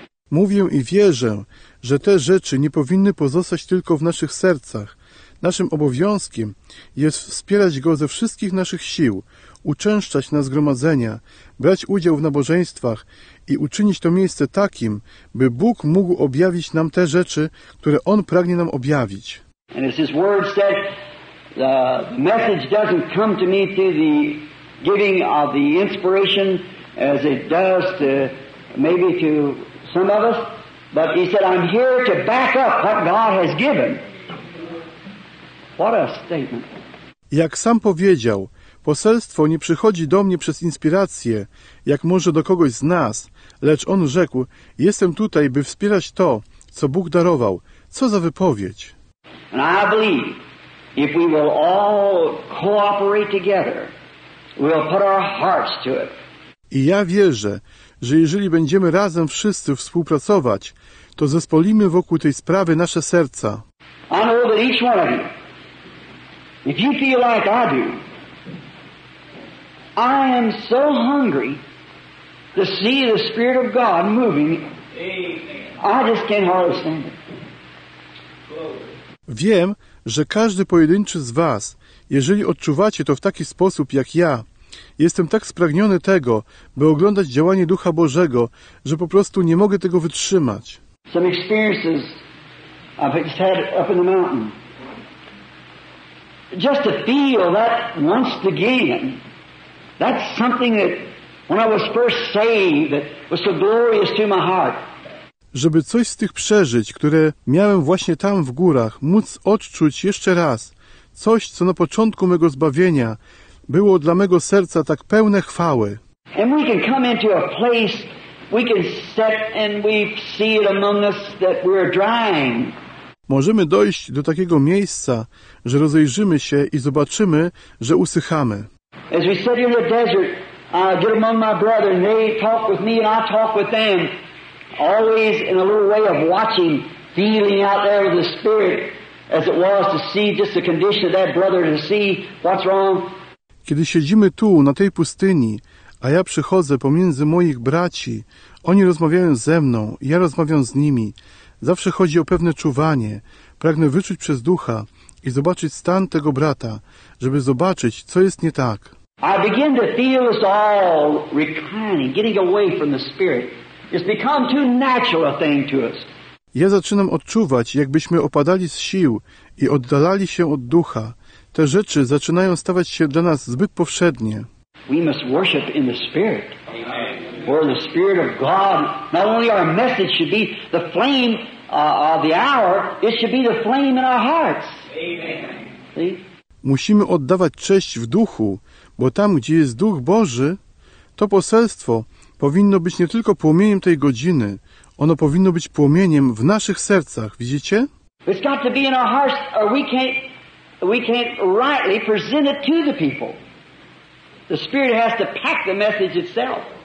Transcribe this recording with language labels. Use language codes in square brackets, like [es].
[pl] Mówię i wierzę, że te rzeczy nie powinny pozostać tylko w naszych sercach. Naszym obowiązkiem jest wspierać Go ze wszystkich naszych sił, uczęszczać na zgromadzenia, brać udział w nabożeństwach i uczynić to miejsce takim, by Bóg mógł objawić nam te rzeczy, które On pragnie nam objawić. [en] And as His Word said, the message doesn't come to me through the giving of the inspiration as it does to maybe to some of us, but He said, I'm here to back up what God has given. What a statement. [pl] Jak sam powiedział, poselstwo nie przychodzi do mnie przez inspirację, jak może do kogoś z nas, lecz on rzekł, jestem tutaj, by wspierać to, co Bóg darował. Co za wypowiedź! [en] And I believe, if we will all cooperate together, we'll put our hearts to it. [pl] I ja wierzę, że jeżeli będziemy razem wszyscy współpracować, to zespolimy wokół tej sprawy nasze serca. [en] I know that each one of you, if you feel like I do, I am so hungry to see the Spirit of God moving. Amen. I just can't hardly stand it. [pl] Wiem, że każdy pojedynczy z was, jeżeli odczuwacie to w taki sposób jak ja, jestem tak spragniony tego, by oglądać działanie Ducha Bożego, że po prostu nie mogę tego wytrzymać. [en] Some experiences I've had up in the mountain. Just to feel that once again, that's something that when I was first saved, that was so glorious to my heart. [pl] Żeby coś z tych przeżyć, które miałem właśnie tam w górach, móc odczuć jeszcze raz, coś, co na początku mego zbawienia było dla mego serca tak pełne chwały. [en] And we can come into a place, we can sit and we see it among us that we're drying. [pl] Możemy dojść do takiego miejsca, że rozejrzymy się i zobaczymy, że usychamy. [en] As we sit in the desert, I get among my brethren, they talk with me and I talk with them, always in a little way of watching, feeling out there the spirit, as it was to see just the condition of that brother to see what's wrong. [pl] Kiedy siedzimy tu, na tej pustyni, a ja przychodzę pomiędzy moich braci, oni rozmawiają ze mną, ja rozmawiam z nimi. Zawsze chodzi o pewne czuwanie. Pragnę wyczuć przez ducha i zobaczyć stan tego brata, żeby zobaczyć, co jest nie tak. [en] I begin to feel us all reclining, getting away from the spirit. It's become too natural a thing to us. [pl] Ja zaczynam odczuwać, jakbyśmy opadali z sił i oddalali się od ducha. Te rzeczy zaczynają stawać się dla nas zbyt powszednie. [en] We must worship in the Spirit. Where the Spirit of God, not only our message should be the flame of the hour, it should be the flame in our hearts. Amen. [pl] Musimy oddawać cześć w duchu, bo tam, gdzie jest Duch Boży, to poselstwo powinno być nie tylko płomieniem tej godziny, ono powinno być płomieniem w naszych sercach, widzicie? [en] It's got to be in our hearts, or we can't rightly present it to the people. The Spirit has to pack the message itself.